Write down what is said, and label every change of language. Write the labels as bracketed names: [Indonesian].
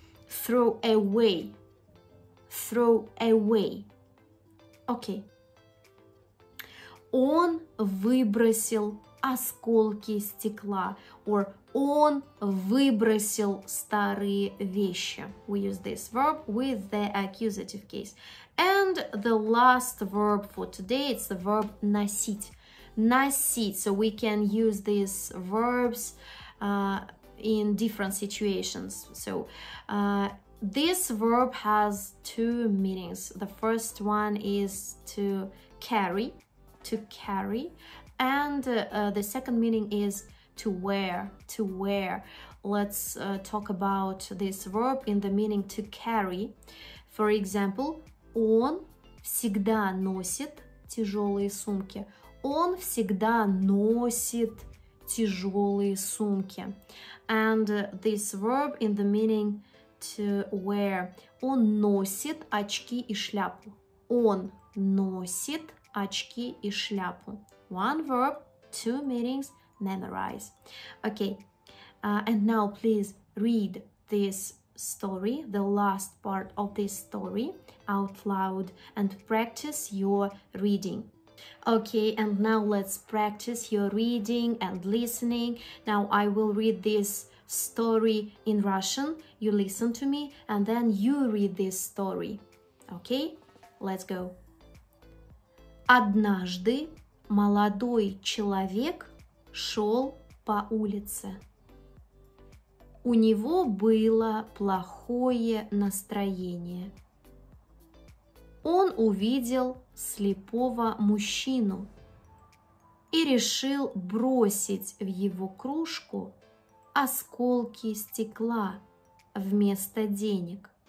[English] throw away. Throw away. Окей. [Russian] Он выбросил осколки стекла. Or он выбросил старые вещи. [English] We use this verb with the accusative case. And the last verb for today, it's the verb носить. Носить. So we can use these verbs in different situations. So this verb has two meanings. The first one is to carry. To carry. And the second meaning is to wear. To wear. Let's talk about this verb in the meaning to carry. For example, [Russian] он всегда носит тяжелые сумки. Он всегда носит тяжелые сумки. [English] And this verb in the meaning to wear. [Russian] Он носит очки и шляпу. Он носит очки и шляпу. [English] One verb, two meanings, memorize. Okay, and now please read this story, the last part of this story, out loud and practice your reading. Okay, and now let's practice your reading and listening. Now I will read this story in Russian. You listen to me and then you read this story. Okay, let's go. [Russian] Однажды молодой человек шел по улице. У него было плохое настроение. Он увидел слепого мужчину и решил бросить в его кружку осколки стекла вместо денег.